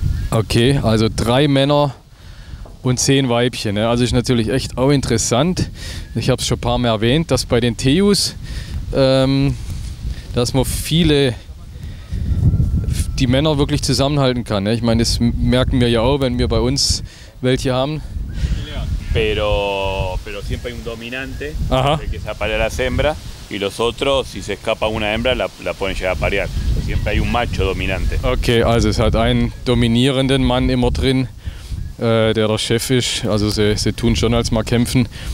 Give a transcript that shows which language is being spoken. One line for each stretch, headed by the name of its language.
German: Okay, also 3 Männer und 10 Weibchen. Ne? Also ist natürlich echt auch interessant. Ich habe es schon ein paar Mal erwähnt, dass bei den Teus, dass man viele, die Männer wirklich zusammenhalten kann. Ne? Ich meine, das merken wir ja auch, wenn wir bei uns welche haben.
Spanish: Pero siempre hay un dominante, que se aparea la hembra. Y los otros, si se escapa una hembra, la pueden llegar a parear. Siempre hay un macho dominante.
German: Okay, also es hat einen dominierenden Mann immer drin, der Chef ist. Also sie tun schon als mal kämpfen.